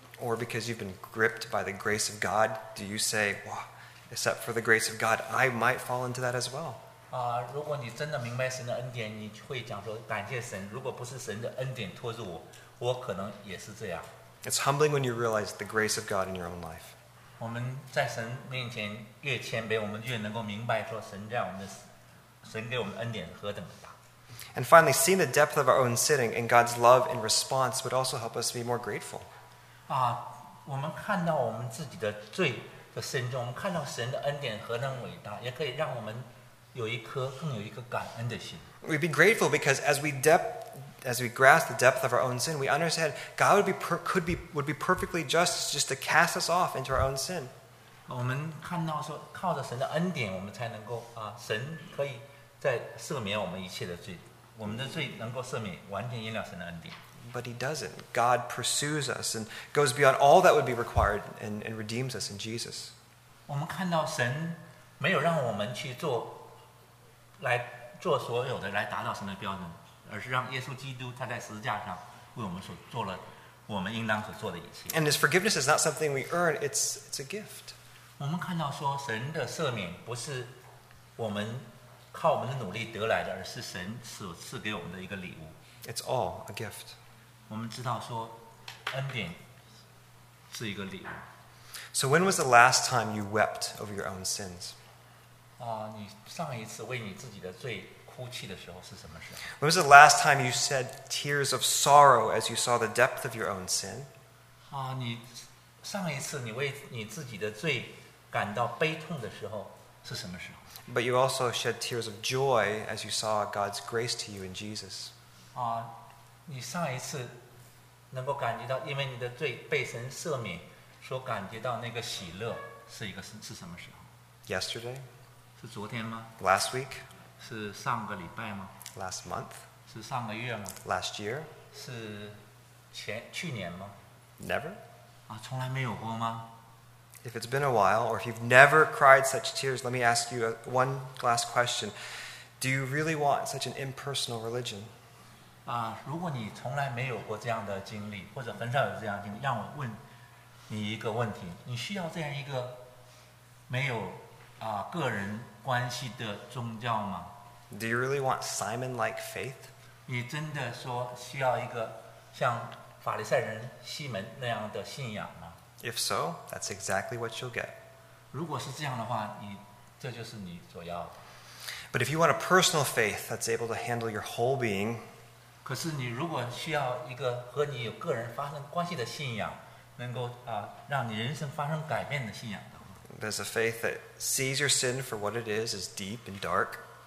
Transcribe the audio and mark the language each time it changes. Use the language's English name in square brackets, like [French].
[English] Or because you've been gripped by the grace of God, do you say, "Wow, except for the grace of God, I might fall into that as well"? [Chinese] 如果你真的明白神的恩典，你会讲说感谢神。如果不是神的恩典托住我，我可能也是这样。 [English] It's humbling when you realize the grace of God in your own life. [Chinese] 我们在神面前越谦卑，我们越能够明白说神给我们恩典何等的大。 [English] And finally, seeing the depth of our own sin and God's love in response would also help us be more grateful. [Chinese] 我们看到我们自己的罪的深重，我们看到神的恩典何等伟大，也可以让我们更有一颗感恩的心。 [English] We'd be grateful because as we grasp the depth of our own sin, we understand God would be perfectly just to cast us off into our own sin. [Chinese] 我们看到说靠着神的恩典，我们才能够神可以在赦免我们一切的罪，我们的罪能够赦免，完全因了神的恩典。 [English] But he doesn't. God pursues us and goes beyond all that would be required and redeems us in Jesus. [Chinese] 我们看到神没有让我们去做，来做所有的来达到神的标准，而是让耶稣基督他在十字架上为我们所做了我们应当所做的一切。 [English] And his forgiveness is not something we earn. It's a gift. [Chinese] 我们看到说神的赦免不是我们靠我们的努力得来的，而是神所赐给我们的一个礼物。 [English] It's all a gift. [Chinese] 我们知道说恩典是一个礼物。 [English] So when was the last time you wept over your own sins? [Chinese] 你上一次为你自己的罪哭泣的时候是什么时候？ [English] When was the last time you shed tears of sorrow as you saw the depth of your own sin? [Chinese] 你上一次你为你自己的罪感到悲痛的时候是什么时候？ [English] But you also shed tears of joy as you saw God's grace to you in Jesus. [Chinese] 你上一次能够感觉到因为你的罪被神赦免所感觉到那个喜乐是什么时候？ [English] Yesterday? [Chinese] 是昨天吗？ [English] Last week? [Chinese] 是上个礼拜吗 [English] ？Last month. [Chinese] 是上个月吗 [English] ？Last year. [Chinese] 是前去年吗 [English] ？Never. [Chinese] 啊，从来没有过吗 [English] ？If it's been a while, or if you've never cried such tears, let me ask you one last question: Do you really want such an impersonal religion? [Chinese] 啊，如果你从来没有过这样的经历，或者很少有这样的经历，让我问你一个问题：你需要这样一个没有啊个人关系的宗教吗 [English] ？Do you really want Simon-like faith? [Chinese] 你真的说需要一个像法利赛人西门那样的信仰吗 [English] ？If so, that's exactly what you'll get. [Chinese] 如果是这样的话，你这就是你所要的。 [English] But if you want a personal faith that's able to handle your whole being, [Chinese] 可是你如果需要一个和你有个人发生关系的信仰，能够啊让你人生发生改变的信仰。 [English] There's a faith that sees your sin for what it is deep and dark.